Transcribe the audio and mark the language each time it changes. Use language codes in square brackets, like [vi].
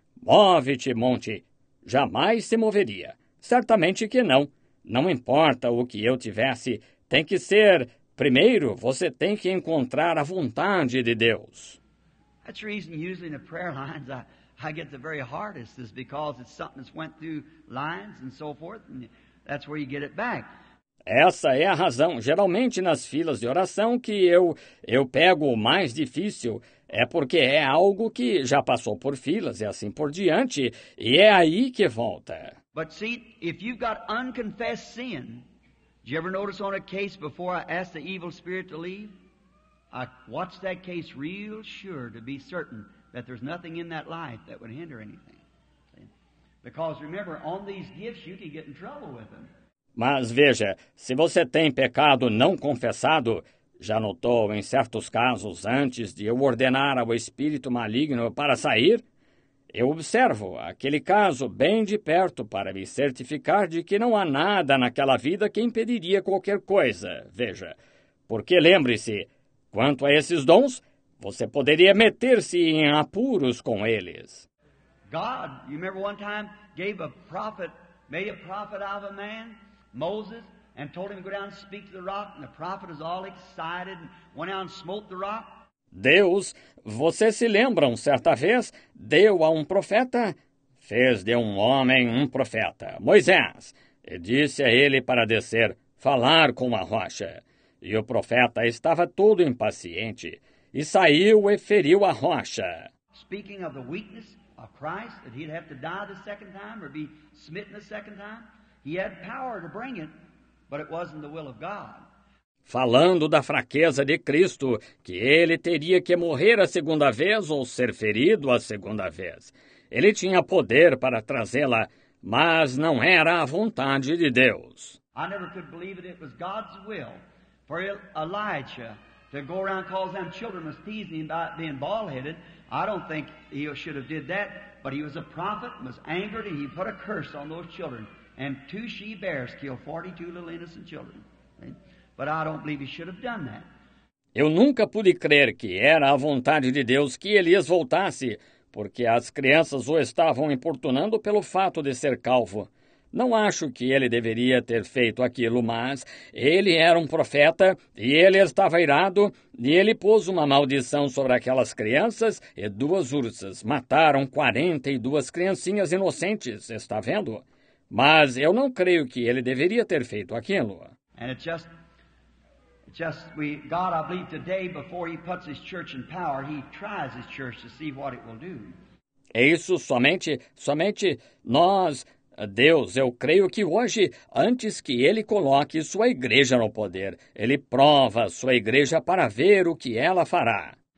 [pt] Move-te, monte. Jamais se moveria. Certamente que não. Não importa o que eu tivesse, tem que ser, primeiro, você tem que encontrar a vontade de Deus. [en] That's the reason usually in the prayer lines I get the very hardest is because it's something that's went through lines and so forth, and that's where you get it back. [pt] Essa é a razão. Geralmente nas filas de oração que eu pego o mais difícil é porque é algo que já passou por filas e assim por diante, e é aí que volta. [en] But see, if you've got unconfessed sin, did you ever notice on a case before I asked the evil spirit to leave? I watched that case real sure to be certain that there's nothing in that life that would hinder anything. Because remember, on these gifts you can get in trouble with them. [pt] Mas veja, se você tem pecado não confessado, já notou em certos casos antes de eu ordenar ao espírito maligno para sair? Eu observo aquele caso bem de perto para me certificar de que não há nada naquela vida que impediria qualquer coisa, veja. Porque lembre-se, quanto a esses dons, você poderia meter-se em apuros com eles. [en] God, you remember one time, gave a prophet, made a prophet out of a man, Moses, and told him to go down and speak to the rock, and the prophet was all excited and went out and smote the rock. [pt] Deus, você se lembra, certa vez, deu a um profeta, fez de um homem um profeta, Moisés, e disse a ele para descer, falar com a rocha. E o profeta estava todo impaciente, e saiu e feriu a rocha. [en] Speaking of the weakness of Christ, that he'd have to die the second time, or be smitten the second time, he had power to bring it, but it wasn't the will of God. [pt] Falando da fraqueza de Cristo, que ele teria que morrer a segunda vez ou ser ferido a segunda vez. Ele tinha poder para trazê-la, mas não era a vontade de Deus. [en] I never could believe that it was God's will for Elijah to go around and cause them children was teasing him about being bald-headed. I don't think he should have did that, but he was a prophet and was angered and he put a curse on those children. And two she-bears killed 42 little innocent children. But I don't believe he should have done that. [pt] Eu nunca pude crer que era a vontade de Deus que Elias voltasse, porque as crianças o estavam importunando pelo fato de ser calvo. Não acho que ele deveria ter feito aquilo, mas ele era um profeta e ele estava irado e ele pôs uma maldição sobre aquelas crianças e duas ursas. Mataram 42 criancinhas inocentes, está vendo? Mas eu não creio que ele deveria ter feito aquilo. [en] And it's just... God, I believe today, before he puts his church in power, he tries his church to see what it will do. [pt] É isso somente nós, Deus, eu creio que hoje, antes que ele coloque sua igreja no poder, ele prova sua igreja para ver o que ela fará.